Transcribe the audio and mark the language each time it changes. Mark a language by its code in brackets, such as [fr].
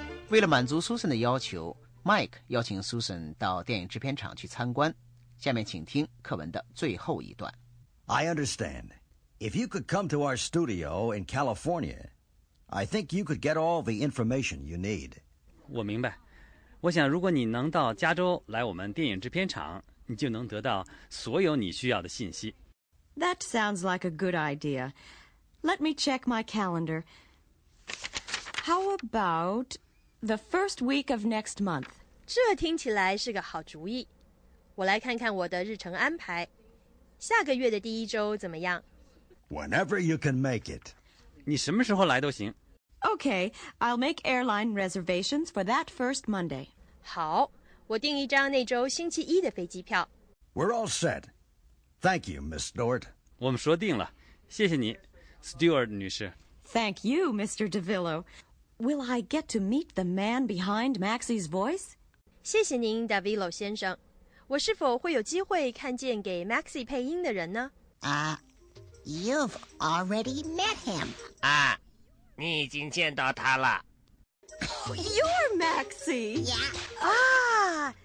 [zh] 为了满足 Susan 的要求， Mike 邀请 Susan 到电影制片厂去参观。下面请听课文的最后一段。 [en] I understand. If you could come to our studio in California, I think you could get all the information you need. [zh] 我明白，我想如果你能到加州来我们电影制片厂，你就能得到所有你需要的信息。 [en] That sounds like a good idea. Let me check my calendar. How aboutThe first week of next month. [zh] 这听起来是个好主意。我来看看我的日程安排。下个月的第一周怎么样？ [en] Whenever you can make it. [zh] 你什么时候来都行。 [en] Okay, I'll make airline reservations for that first Monday. [zh] 好，我订一张那周星期一的飞机票。 [en] We're all set. Thank you, Miss Stewart. [zh] 我们说定了，谢谢你 ，Stewart 女士。 [en] Thank you, Mr. DeVillo. Will I get to meet the man behind Maxie's voice? [zh] 谢谢您 ，Davilo 先生。我是否会有机会看见给 Maxie 配音的人呢？ [en] You've already met him. [zh] 你已经见到他了。 [en] You're Maxie. Yeah.